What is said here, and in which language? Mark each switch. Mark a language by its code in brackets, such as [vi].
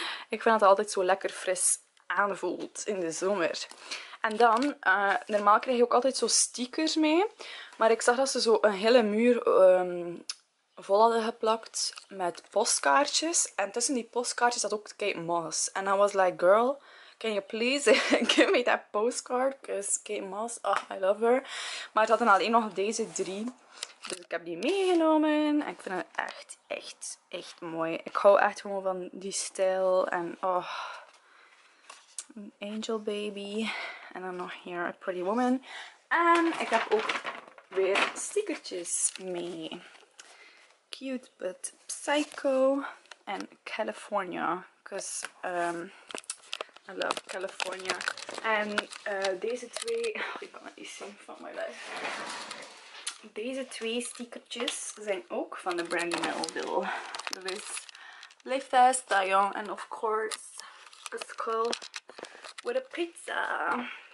[nl] Ik vind het altijd zo lekker fris aanvoelt in de zomer. En dan, normaal krijg je ook altijd zo stickers mee. Maar ik zag dat ze zo een hele muur vol hadden geplakt met postkaartjes. En tussen die postkaartjes zat ook Kate Moss. [en] En I was like, girl, can you please give me that postcard? Because Kate Moss, oh, I love her. [nl] Maar het hadden alleen nog deze drie. Dus ik heb die meegenomen. En ik vind het echt, echt, echt mooi. Ik hou echt gewoon van die stijl. En oh, een angel baby. En dan nog hier, [en] a pretty woman. [nl] En ik heb ook weer stickertjes mee. [en] Cute but psycho. En California. Because I love California. [nl] En deze twee... Oh, ik kan het niet zien van mijn lijf. Deze twee stickertjes zijn ook van de Brandy Melville. Dat is Live Fast, Die Young. [en] En of course, a skull with a pizza.